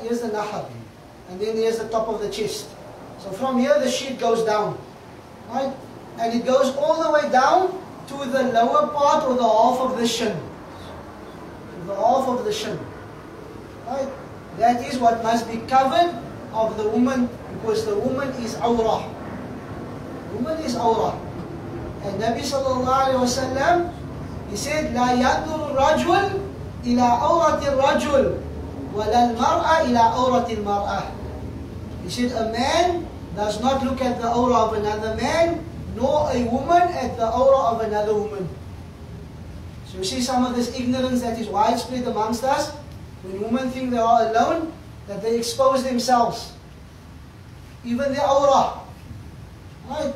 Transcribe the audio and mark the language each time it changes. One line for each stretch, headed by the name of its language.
English: Here's the nahar, and then here's the top of the chest. So from here, the sheet goes down, right? And it goes all the way down to the lower part or the half of the shin. The half of the shin, right? That is what must be covered of the woman, because the woman is awra. Woman is awra.
Arabic: And Nabi sallallahu alayhi wasallam, he said, لَا يَنْظُرُ الرَّجُلْ إِلَىٰ أَوْرَةِ الرَّجُلْ وَلَا الْمَرْأَ إِلَىٰ أَوْرَةِ الْمَرْأَ.
English: He said, a man does not look at the aura of another man, nor a woman at the aura of another woman. So you see some of this ignorance that is widespread amongst us, when women think they are alone, that they expose themselves. Even their aura. Right?